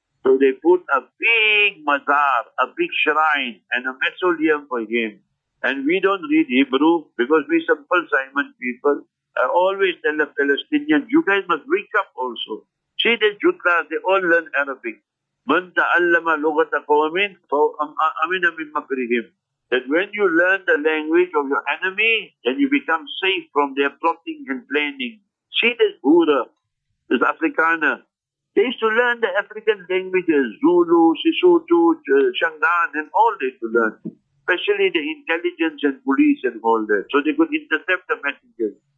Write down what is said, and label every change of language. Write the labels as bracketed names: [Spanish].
[English] So they put a big mazar, a big shrine, and a mausoleum for him. And we don't read Hebrew because we simple Simon people. I always tell the Palestinians, you guys must wake up also. See the Jutlas, they all learn Arabic. [Arabic] من تعلم لغة قوم فأمن من مكرهم. [English] That when you learn the language of your enemy, then you become safe from their plotting and planning. See this Hura, this Afrikaner. They used to learn the African languages, Zulu, Sisutu, Shangaan, and all they used to learn. especially the intelligence and police and all that, so they could intercept the messengers.